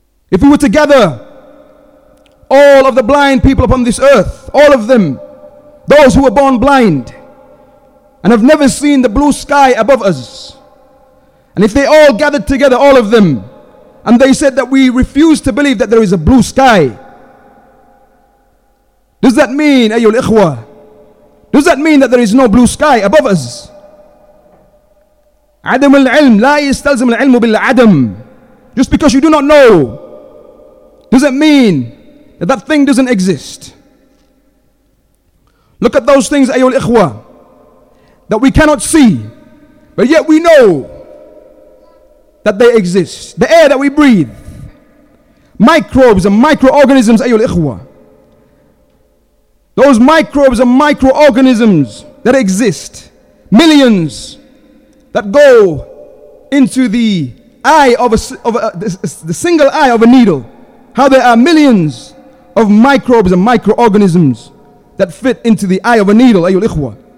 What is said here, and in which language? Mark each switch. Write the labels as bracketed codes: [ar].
[en] If we were to gather all of the blind people upon this earth, all of them, those who were born blind and have never seen the blue sky above us, and if they all gathered together, all of them, and they said that we refuse to believe that there is a blue sky, does that mean, [ar] ayyul ikhwa, [en] does that mean that there is no blue sky above us? [ar] عدم العلم لا يستلزم العلم بالعدم. [en] Just because you do not know, does it mean that that thing doesn't exist? Look at those things, [ar] ayyul ikhwa, [en] that we cannot see, but yet we know that they exist. The air that we breathe, microbes and microorganisms, [ar] ayyul ikhwa, [en] those microbes and microorganisms that exist, millions that go into the eye of the single eye of a needle, how there are millions of microbes and microorganisms that fit into the eye of a needle, ayyul ikhwa.